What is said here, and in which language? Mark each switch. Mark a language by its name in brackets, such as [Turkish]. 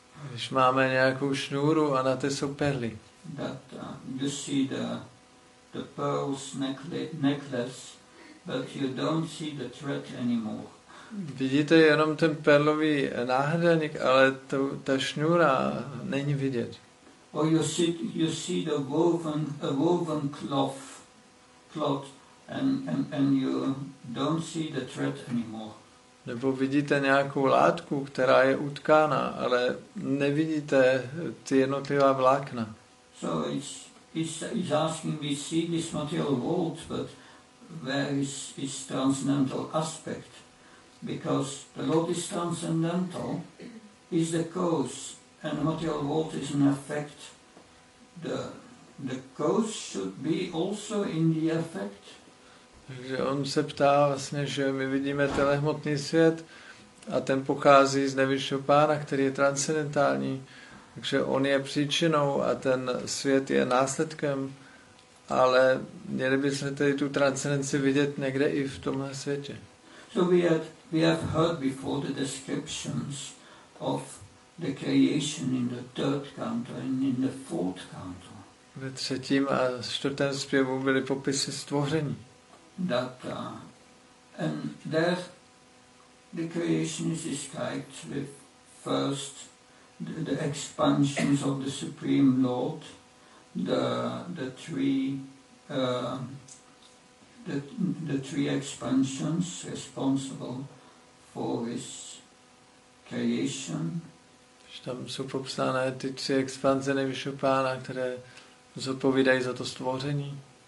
[Czech] Když máme nějakou šnůru a na té jsou perly. [English] That you see the the pearls necklace, but you don't see the thread anymore. [Czech] Vidíte jenom ten perlový náhrdelník, ale ta šňůra není vidět. [English] Or you see the woven cloth and you don't see the thread anymore. [Czech] Nebo vidíte nějakou látku, která je utkána, ale nevidíte ty jednotlivá vlákna. [English] So it's asking we see this material world, but where is its transcendental aspect? Because the Lord is transcendental, is the cause, and material world is an effect. The cause should be also in the effect. [Czech] Takže on se ptá vlastně, že my vidíme tenhle hmotný svět a ten pochází z nejvyššího pána, který je transcendentální. Takže on je příčinou a ten svět je následkem, ale měli bychom tedy tu transcendenci vidět někde i v tomhle světě. [English] So we have heard before the descriptions of the creation in the third canto and in the fourth canto. [Czech] Ve třetím a čtvrtém zpěvu byly popisy stvoření. [English] That and there the creation is described with first the expansions of the Supreme Lord, the three expansions responsible for his creation. [Czech] Tam jsou popsané ty tři expanze nejvyššího pána, které zodpovídají za to stvoření.